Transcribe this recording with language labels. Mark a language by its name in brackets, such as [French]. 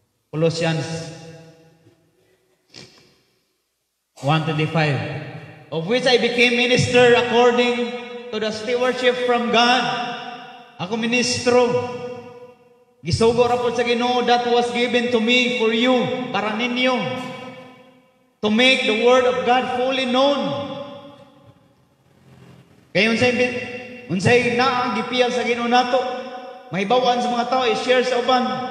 [English] Colossians 1:25, of which I became minister according to the stewardship from God. [Cebuano] Ako ministro. Gisugo ra po sa Ginoo [English] that was given to me for you, [Cebuano] para ninyo. [English] To make the word of God fully known. [Cebuano] Kaya unsay naa ang gipiyag sa Ginoo nato? Mahibawaan sa mga tao, i-share sa uban.